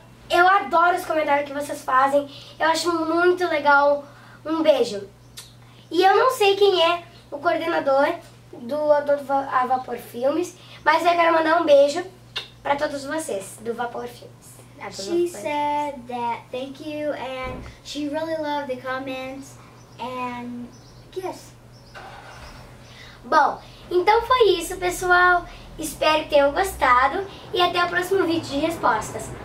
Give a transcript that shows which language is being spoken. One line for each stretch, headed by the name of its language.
Portuguese: Eu adoro os comentários que vocês fazem. Eu acho muito legal. Um beijo. E eu não sei quem é o coordenador do Adoro a Vapor Filmes, mas eu quero mandar um beijo para todos vocês do Vapor Filmes.
English: She said that thank you and she really loved the comments and yes.
Portuguese: Bom, então foi isso, pessoal. Espero que tenham gostado e até o próximo vídeo de respostas.